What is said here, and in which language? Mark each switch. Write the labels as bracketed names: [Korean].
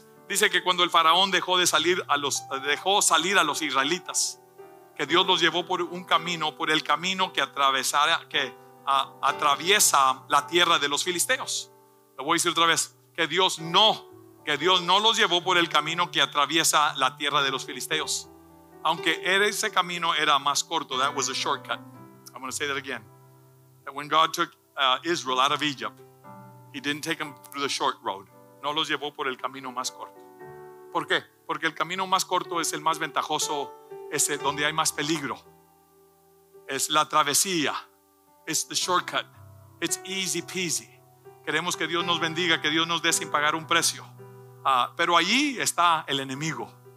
[Spanish] Dice que cuando el faraón dejó salir a los israelitas, que Dios los llevó por un camino, por el camino que atraviesa la tierra de los filisteos. Lo voy a decir otra vez, que Dios no los llevó por el camino que atraviesa la tierra de los filisteos. Aunque ese camino era más corto, [English] that was a shortcut. I'm going to say that again. That when God took Israel out of Egypt, he didn't take them through the short road. [Spanish] No los llevó por el camino más corto. ¿Por qué? Porque el camino más corto es el más ventajoso, es el donde hay más peligro. Es la travesía. [English] It's the shortcut. It's easy peasy. [Spanish] Queremos que Dios nos bendiga, que Dios nos dé sin pagar un precio. Pero allí está el enemigo.